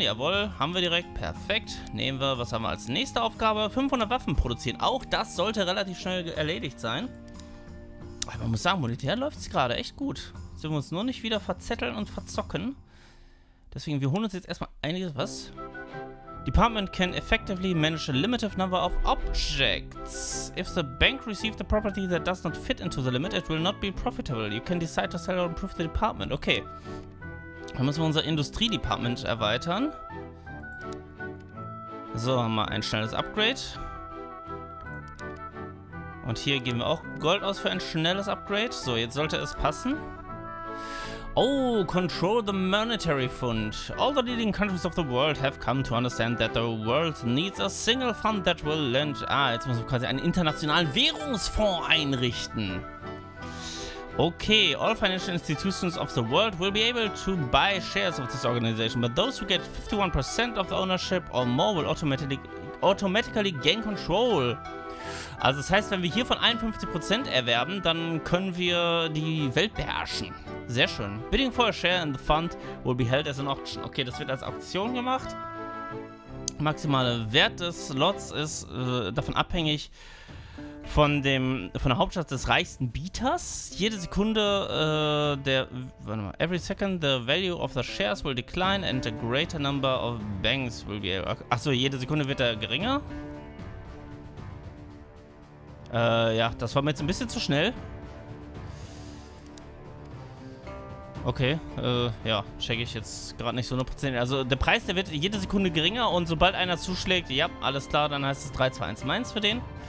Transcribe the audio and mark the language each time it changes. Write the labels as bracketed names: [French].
[German] Jawohl, haben wir direkt, perfekt. Nehmen wir, was haben wir als nächste Aufgabe? 500 Waffen produzieren, auch das sollte relativ schnell erledigt sein. Aber man muss sagen, monetär läuft es gerade echt gut. Sollen wir uns nur nicht wieder verzetteln und verzocken. Deswegen, wir holen uns jetzt erstmal einiges, was? [English] Department can effectively manage a limited number of objects. If the bank receives a property that does not fit into the limit, it will not be profitable. You can decide to sell or improve the department. [German] Okay. Dann müssen wir unser Industriedepartment erweitern. So, haben wir ein schnelles Upgrade. Und hier geben wir auch Gold aus für ein schnelles Upgrade. So, jetzt sollte es passen. Oh, [English] control the monetary fund. All the leading countries of the world have come to understand that the world needs a single fund that will lend... [German] Ah, jetzt müssen wir quasi einen internationalen Währungsfonds einrichten. [English] Okay, all financial institutions of the world will be able to buy shares of this organization, but those who get 51% of the ownership or more will automatically gain control. [German] Also das heißt, wenn wir hier von 51% erwerben, dann können wir die Welt beherrschen. Sehr schön. [English] Bidding for a share in the fund will be held as an auction. [German] Okay, das wird als Auktion gemacht. Maximaler Wert des Lots ist davon abhängig von der Hauptstadt des reichsten Bieters. Jede Sekunde [English] every second the value of the shares will decline and a greater number of banks will be able. [German] Achso, jede Sekunde wird er geringer. Ja, das war mir jetzt ein bisschen zu schnell. Okay, ja, checke ich jetzt gerade nicht so 100%. Also der Preis, der wird jede Sekunde geringer und sobald einer zuschlägt, ja, alles klar, dann heißt es 3, 2, 1, meins für den.